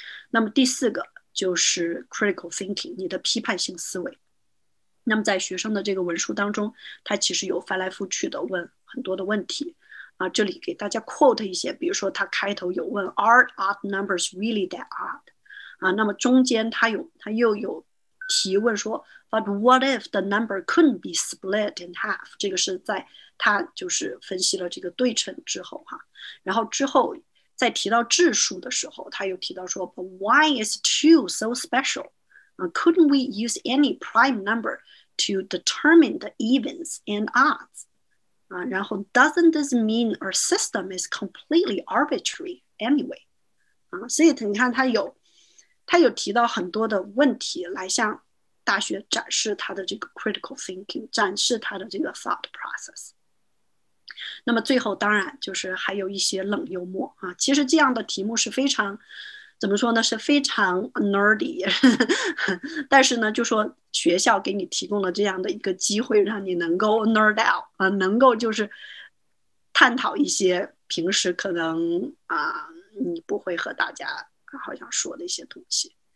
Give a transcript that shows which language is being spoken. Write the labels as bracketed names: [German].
[Chinese] 那么第四个就是 critical thinking，你的批判性思维。那么在学生的这个文书当中，他其实有翻来覆去的问很多的问题。啊，这里给大家 quote 一些，比如说他开头有问 [English] "Are odd numbers really that odd？" [Chinese] 啊，那么中间他又有提问说， [English] But what if the number couldn't be split in half？ [Chinese] 这个是在他就是分析了这个对称之后哈，然后之后在提到质数的时候，他又提到说， [English] But why is two so special？ Couldn't we use any prime number to determine the evens and odds？然后 doesn't this mean our system is completely arbitrary anyway？ [Chinese] 所以你看他有提到很多的问题来向大学展示他的这个 critical thinking，展示他的这个 thought process。那么最后当然就是还有一些冷幽默啊。其实这样的题目是非常，怎么说呢，是非常 nerdy 但是呢，就说学校给你提供了这样的一个机会，让你能够 nerd out 啊，能够就是探讨一些平时可能你不会和大家好像说的一些东西。